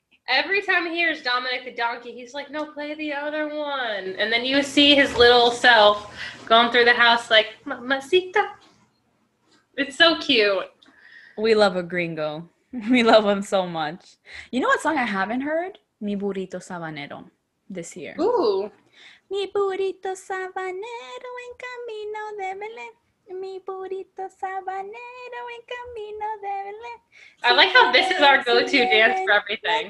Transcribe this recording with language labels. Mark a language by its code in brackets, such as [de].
[en] Every time he hears Dominic the Donkey, he's like, no, play the other one. And then you see his little self going through the house like, Mamacita. It's so cute. We love a gringo. We love him so much. You know what song I haven't heard? Mi Burrito Sabanero this year. Ooh. [es] Mi Burrito Sabanero en camino de Belén. Mi burrito sabanero en camino de Belén. [en] I like how this is our go-to dance for everything.